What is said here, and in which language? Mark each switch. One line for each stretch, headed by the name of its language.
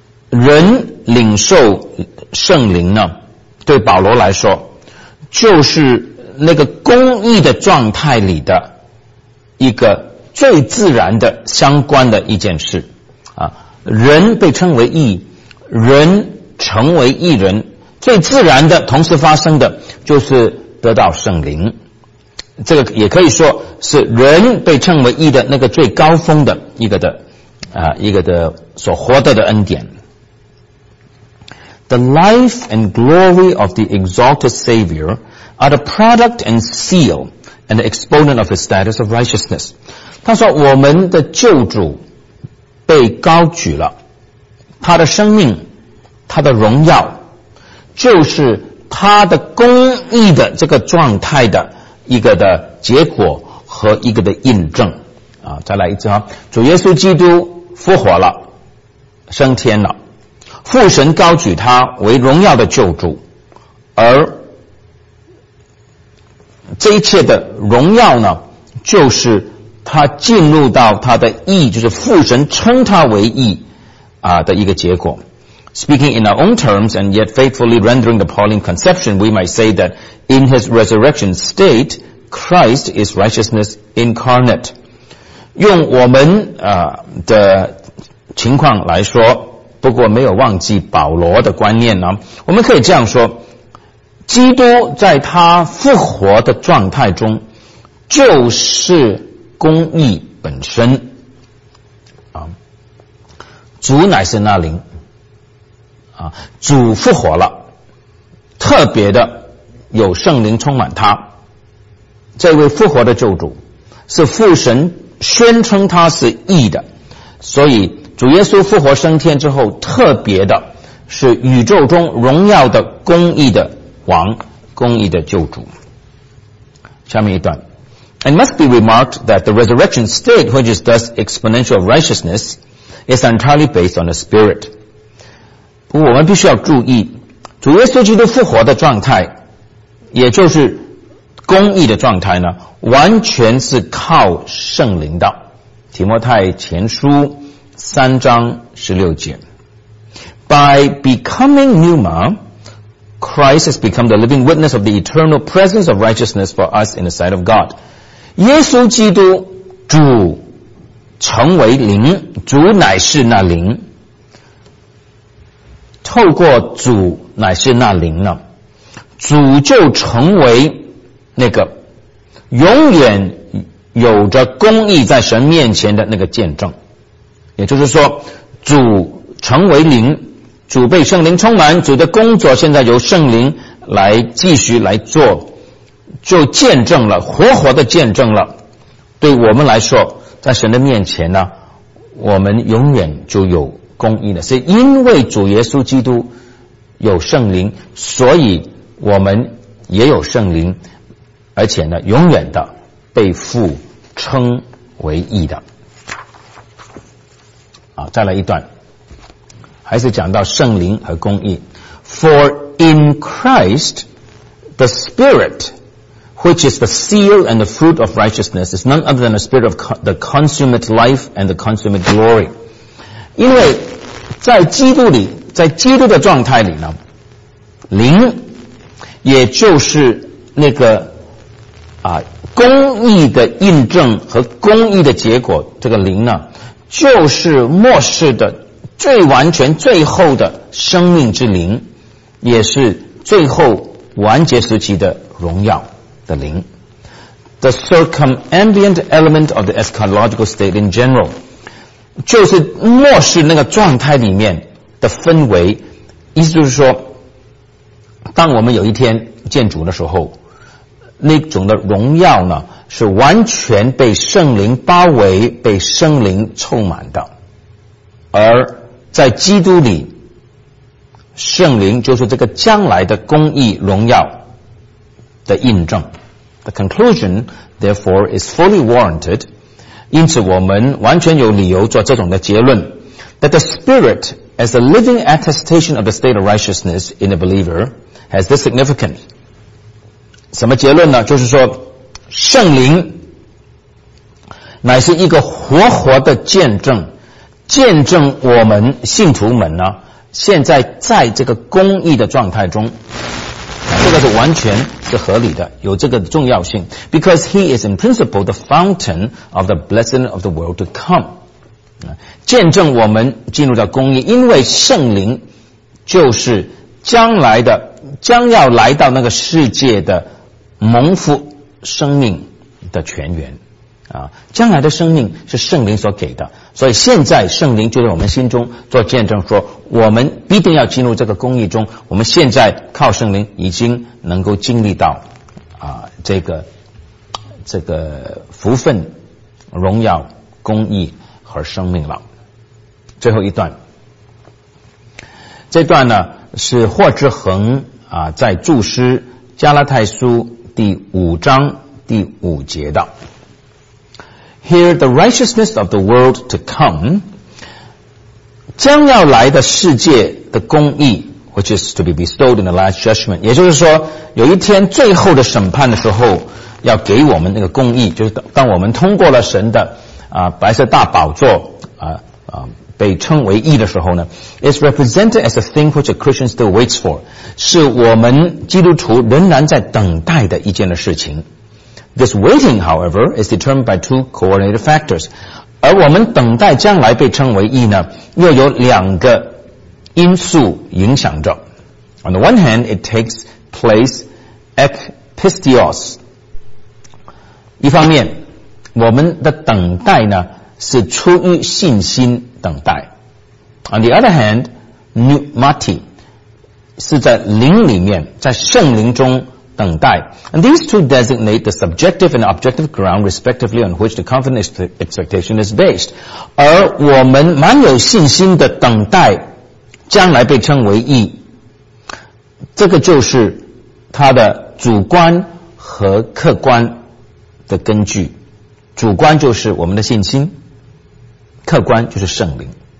Chinese: 人领受圣灵呢，对保罗来说，就是那个公义的状态里的一个最自然的相关的一件事人被称为义，人成为义人，最自然的同时发生的就是得到圣灵。这个也可以说是人被称为义的那个最高峰的一个的所获得的恩典。
English: The life and glory of the exalted Savior are the product and seal and the exponent of the status of righteousness.
Chinese: 他说我们的救主被高举了，他的生命他的荣耀就是他的公义的这个状态的一个的结果和一个的印证再来一次主耶稣基督复活了，升天了，父神高举他为荣耀的救主，而这一切的荣耀呢，就是他进入到他的义，就是父神称他为义的一个结果。
English: Speaking in our own terms and yet faithfully rendering the Pauline conception, we might say that in his resurrection state, Christ is righteousness incarnate.
Chinese: 用我们的情况来说，不过没有忘记保罗的观念呢，我们可以这样说，基督在他复活的状态中就是公义本身主乃是那灵主复活了，特别的有圣灵充满他，这位复活的救主是父神宣称他是义的，所以主耶稣复活升天之后，特别的是宇宙中荣耀的公义的王，公义的救主。下面一段
English: It must be remarked that the resurrection state which is thus exponential of righteousness is entirely based on the spirit.
Chinese: 不过我们必须要注意，主耶稣基督复活的状态，也就是公义的状态呢，完全是靠圣灵的。提摩太前书三章十六节
English: By becoming pneuma, Christ has become the living witness of the eternal presence of righteousness for us in the sight of God.
Chinese: 耶稣基督主成为灵，主乃是那灵，透过主乃是那灵了，主就成为那个永远有着公义在神面前的那个见证。也就是说，主成为灵，主被圣灵充满，主的工作现在由圣灵来继续来做，就见证了，活活的见证了。对我们来说，在神的面前呢，我们永远就有公义了。是因为主耶稣基督有圣灵，所以我们也有圣灵，而且呢，永远的被父称为义的。啊，再来一段，还是讲到圣灵和公义。
English: For in Christ, the Spirit, which is the seal and the fruit of righteousness, is none other than the Spirit of the consummate life and the consummate glory.
Chinese: 因为在基督里，在基督的状态里呢，灵也就是那个啊公义的印证和公义的结果，这个灵呢，就是末世的最完全最后的生命之灵，也是最后完结时期的荣耀的灵。
English: The circumambient element of the eschatological state in general,
Chinese: 就是末世那个状态里面的氛围，意思就是说，当我们有一天见主的时候，那种的荣耀呢，是完全被圣灵包围，被圣灵充满的。而在基督里，圣灵就是这个将来的公义荣耀的印证。
English: The conclusion therefore is fully warranted.
Chinese: 因此我们完全有理由做这种的结论，
English: That the Spirit as a living attestation of the state of righteousness in a believer has this significance.
Chinese: 什么结论呢？就是说圣灵乃是一个活活的见证，见证我们信徒们呢，现在在这个公义的状态中，这个是完全是合理的，有这个重要性。
English: Because he is in principle the fountain of the blessing of the world to come.
Chinese: 见证我们进入到公义，因为圣灵就是将来的，将要来到那个世界的蒙福生命的泉源。啊，将来的生命是圣灵所给的，所以现在圣灵就在我们心中做见证，说我们必定要进入这个公义中，我们现在靠圣灵已经能够经历到啊这个福分、荣耀、公义和生命了。最后一段，这段呢是霍志恒啊在注释加拉太书第五章第五节的。
English: Here the righteousness of the world to come,
Chinese: 将要来的世界的公义，
English: which is to be bestowed in the last judgment.
Chinese: 也就是说，有一天最后的审判的时候，要给我们那个公义，就是当我们通过了神的啊白色大宝座啊啊被称为义的时候呢，
English: is represented as a thing which a Christian still waits for.
Chinese: 是我们基督徒仍然在等待的一件的事情。
English: This waiting, however, is determined by two coordinated factors.
Chinese: 而我们等待将来被称为义呢，又有两个因素影响着。
English: On the one hand, it takes place ek pistios.
Chinese: 一方面，我们的等待呢，是出于信心等待。
English: On the other hand, pneumati
Chinese: 是在灵里面，在圣灵中等待。
English: And these two designate the subjective and objective ground respectively on which the confident expectation is based.
Chinese: 而我们蛮有信心的等待将来被称为义，这个就是它的主观和客观的根据。主观就是我们的信心，客观就是圣灵。